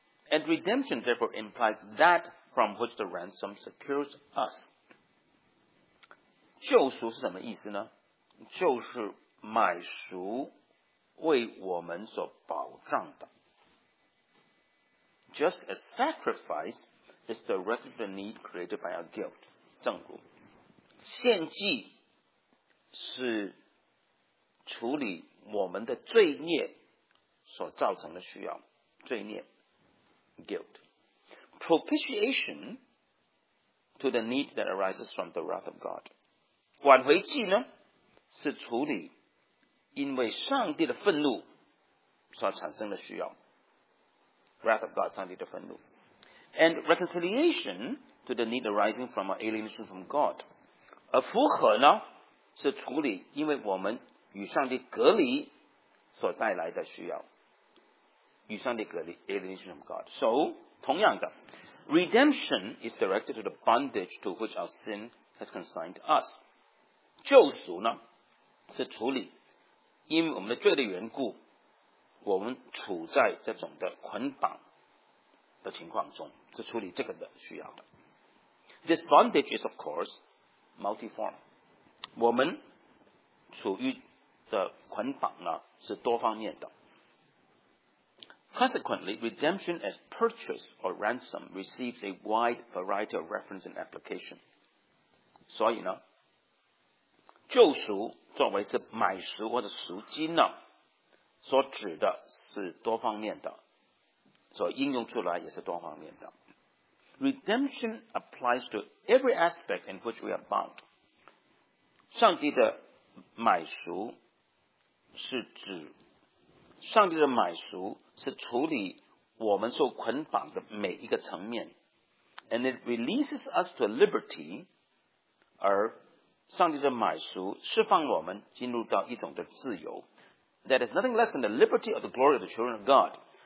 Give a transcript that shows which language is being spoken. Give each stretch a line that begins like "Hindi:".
English: And redemption therefore implies that from which the ransom secures us.
Chinese: 救赎是什么意思呢？就是买赎为我们所保障的。
English: Just as sacrifice is directly the need created by our guilt.
Chinese: 正如献祭是处理我们的罪孽所造成的需要罪孽
English: guilt propitiation to the need that arises from the wrath of God
Chinese: 挽回祭呢是处理因为上帝的愤怒所产生的需要
English: wrath of God
Chinese: 上帝的愤怒
English: and reconciliation to the need arising from our alienation from God
Chinese: 而复合呢是处理因为我们与上帝隔离
English: 所带来的需要与上帝隔离 alienation from God. So,
Chinese: 同样的
English: redemption is directed to the bondage to which our sin has consigned us.
Chinese: 救赎呢是处理因为我们的罪的缘故我们处在这种的捆绑的情况中是处理这个的需要的。
English: This bondage is of course multiform.
Chinese: 我们处于的捆绑呢是多方面的。
English: Consequently, redemption as purchase or ransom receives a wide variety of reference and application.
Chinese: 所以呢, 救赎作为是买赎或者赎金呢, 所指的是多方面的, 所应用出来也是多方面的。
English: Redemption applies to every aspect in which we are bound.
Chinese: 上帝的买赎是指 上帝的买赎是处理我们受捆绑的每一个层面,
English: and it releases us to liberty,
Chinese: 而上帝的买赎释放我们进入到一种的自由,
English: that is nothing less than the liberty of the glory of the children of God.